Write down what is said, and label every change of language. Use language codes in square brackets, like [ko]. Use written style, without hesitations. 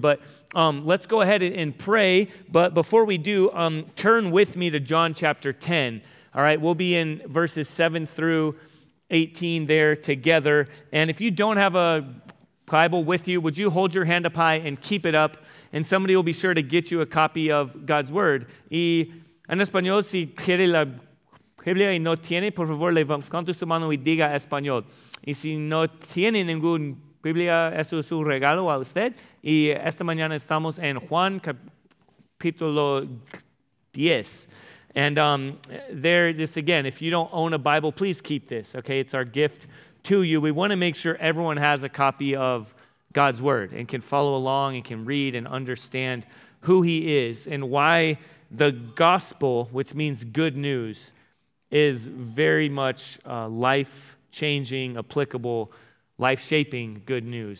[en] But let's go ahead and pray. But before we do, turn with me to John chapter 10. All right, we'll be in verses 7 through 18 there together. And if you don't have a Bible with you, would you hold your hand up high and keep it up, and somebody will be sure to get you a copy of God's Word. [es] Y en español, si quiere la Biblia y no tiene, por favor, levante su mano y diga español. Y si no tiene ninguna Biblia, eso es un regalo a usted. Y esta mañana estamos en Juan capítulo 10. [en] And there, just again, if you don't own a Bible, please keep this, okay? It's our gift to you. We want to make sure everyone has a copy of God's Word and can follow along and can read and understand who He is and why the gospel, which means good news, is very much life-changing, applicable, life-shaping good news.